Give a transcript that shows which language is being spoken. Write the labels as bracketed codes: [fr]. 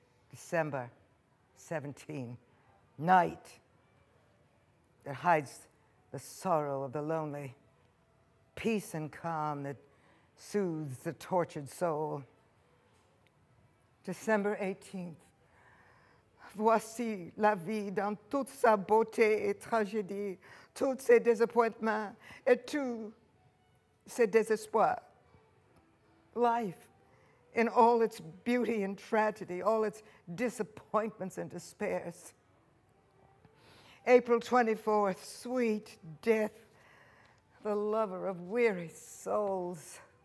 [en] December 17, night that hides the sorrow of the lonely, peace and calm that soothes the tortured soul. December 18th, [fr] voici la vie dans toute sa beauté et tragédie, tous ses désappointements et tout. C'est désespoir. [en] Life in all its beauty and tragedy, all its disappointments and despairs. April 24th, sweet death, the lover of weary souls.